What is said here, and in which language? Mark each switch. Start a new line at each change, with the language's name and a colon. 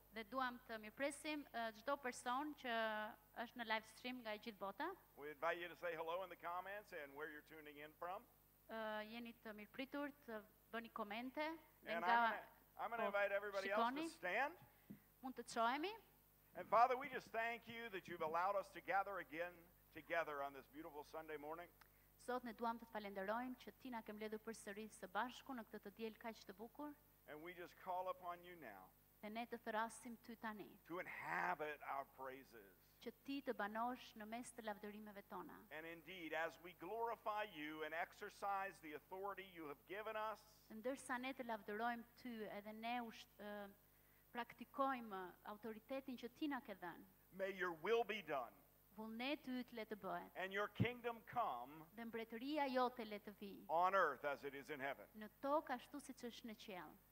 Albanian: Ne duam să mirpresim çdo person që është në live stream nga gjithë bota.
English: We invite you to say hello in the comments and where you're tuning in from.
Albanian: Jeni të mirpritur të bëni komente dhe nga
English: I'm going to invite everybody
Albanian: shikoni.
English: Else to stand.
Albanian: Mund të çohemi.
English: And Father, we just thank you that you've allowed us to gather again together on this beautiful Sunday morning.
Albanian: Sot ne duam të falenderojmë që ti na ke mbledhur përsëri së bashku në këtë të diel kaq të bukur.
English: And we just call upon you now.
Albanian: Dhe ne të thrasim ty tani.
English: To inhabit our praises.
Albanian: Që ti të banosh në mes të lavdërimeve tona.
English: And indeed, as we glorify you and exercise the authority you have given us.
Albanian: Ndërsa ne të lavdërojmë ty edhe ne praktikojmë autoritetin që ti na ke dhënë.
English: May your will be done.
Albanian: Vullnet yt le të bëhet.
English: And your kingdom come.
Albanian: Dhe mbretëria jote le të vijë.
English: On earth as it is in heaven.
Albanian: Në tokë ashtu siç është në qiell.